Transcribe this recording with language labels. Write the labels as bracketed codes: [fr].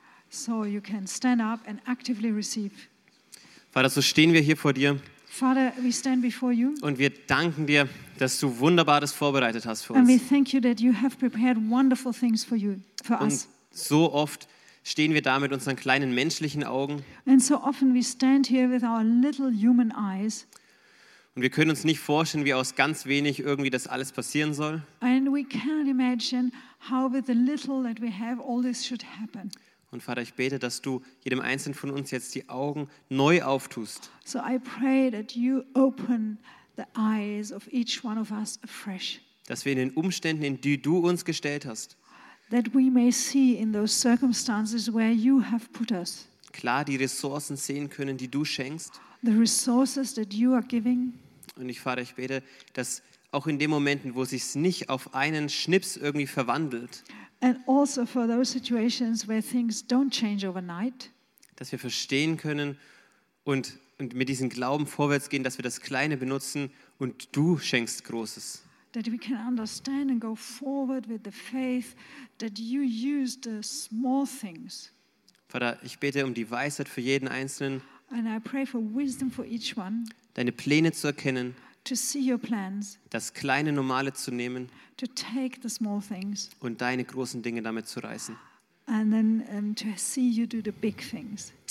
[en] So you can stand up and actively receive. [de] Vater, so stehen wir hier vor dir. [en] Father, we stand before you. [de] Und wir danken dir, dass du Wunderbares vorbereitet hast für uns. [en] And we thank you that you have prepared wonderful things for you, for [de] und [en] us. [de] So oft stehen wir da mit unseren kleinen menschlichen Augen. [en] And so often we stand here with our little human eyes. [de] Und wir können uns nicht vorstellen, wie aus ganz wenig irgendwie das alles passieren soll. [en] And we cannot imagine how with the little that we have all this should happen. [de] Und Vater, ich bete, dass du jedem Einzelnen von uns jetzt die Augen neu auftust. [en] So I pray that you open the eyes of each one of us afresh. [de] Dass wir in den Umständen, in die du uns gestellt hast, [en] that we may see in those circumstances where you have put us. [de] Klar die Ressourcen sehen können, die du schenkst. [en] The resources that you are giving. [de] Und Vater, ich bete, dass auch in den Momenten, wo es sich nicht auf einen Schnips irgendwie verwandelt, [en] and also for those situations where things don't change overnight, [de] dass wir verstehen können und mit diesem Glauben vorwärts gehen, dass wir das Kleine benutzen und du schenkst Großes. [en] That we can understand and go forward with the faith that you use the small things. [de] Vater, ich bete um die Weisheit für jeden Einzelnen, [en] and I pray for wisdom for each one, [de] deine Pläne zu erkennen, [en] to see your plans, [de] das kleine Normale zu nehmen, [en] to take the small things, [de] und deine großen Dinge damit zu reißen. [en] And then, to see you do the big things.